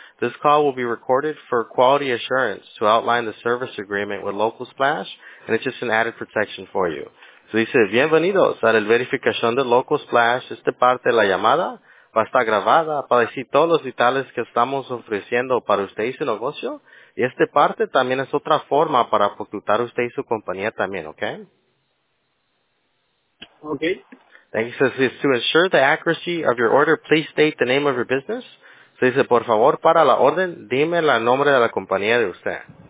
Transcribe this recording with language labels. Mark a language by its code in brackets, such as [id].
[en] This call will be recorded for quality assurance to outline the service agreement with Local/, and it's just an added protection for you. So he said, [es] bienvenidos a la verificación de Local/. Esta parte de la llamada va a estar grabada para decir todos los detalles que estamos ofreciendo para usted y su negocio. Y esta parte también es otra forma para facultar usted y su compañía también, ¿ok? [en] Okay. Thank you. So, to ensure the accuracy of your order, please state the name of your business. [es] So, dice, por favor, para la orden, dime el nombre de la compañía de usted.